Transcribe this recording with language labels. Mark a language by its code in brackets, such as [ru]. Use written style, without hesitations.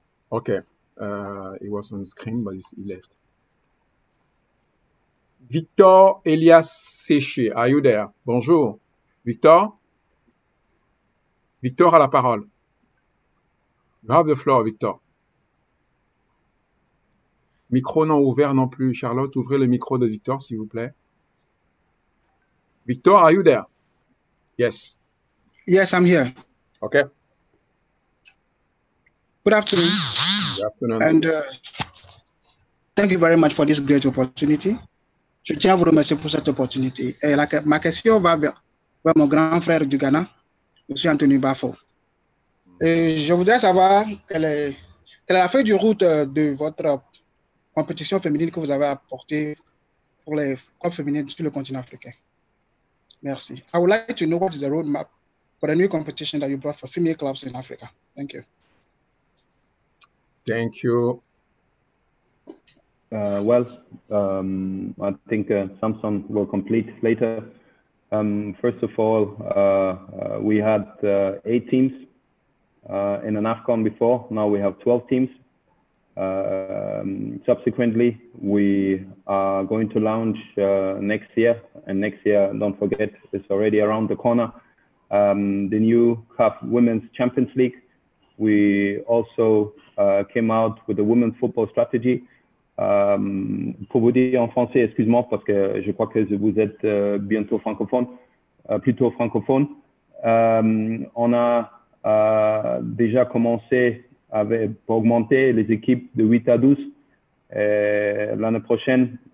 [en] Okay. He was on the screen, but he left. Victor Elias Séché, are you there? Bonjour. Victor? [fr] Victor a la parole. [en] You have the floor, Victor. [fr] Micro non ouvert non plus. Charlotte, ouvrez le micro de Victor, s'il vous plaît. [en] Victor, are you there? Yes. Yes, I'm here. Okay. Good afternoon. Good afternoon. And thank you very much for this great opportunity. [fr] Je tiens à vous remercier pour cette opportunité. Et la, ma question va vers mon grand frère du Ghana, M. Anthony Baffoe. Et je voudrais savoir quelle est la feuille de route de votre compétition féminine que vous avez apportée pour les clubs féminins sur le continent africain. Merci. [en] I would like to know what is the roadmap for the new competition that you brought for female clubs in Africa. Thank you. Thank you. I think Samson will complete later. First of all, we had 8 teams in an AFCON before. Now we have 12 teams. Subsequently, we are going to launch next year. And next year, don't forget, it's already around the corner, the new CAF Women's Champions League. We also came out with a women's football strategy. [fr] Pour vous dire en français, excuse-moi, parce que je crois que vous êtes bientôt francophone, plutôt francophone. On a déjà commencé avec, pour augmenter les équipes de 8 à 12 l'année prochaine.